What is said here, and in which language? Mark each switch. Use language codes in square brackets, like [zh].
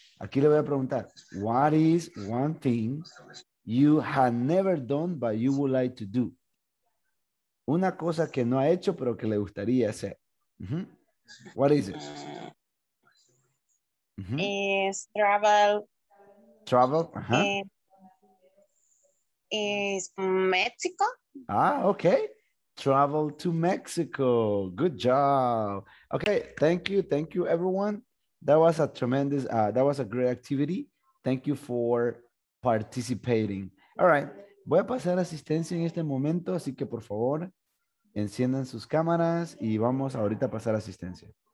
[es] Aquí le voy a preguntar, [en] what is one thing you have never done but you would like to do? [es] Una cosa que no ha hecho pero que le gustaría hacer. [en] What is it? Is travel. Travel, Is Mexico. Ah, ok. Travel to Mexico. Good job. Okay, thank you. Thank you, everyone. That was a tremendous, that was a great activity. Thank you for participating. All right. [es] Voy a pasar asistencia en este momento, así que por favor, enciendan sus cámaras y vamos ahorita a pasar asistencia.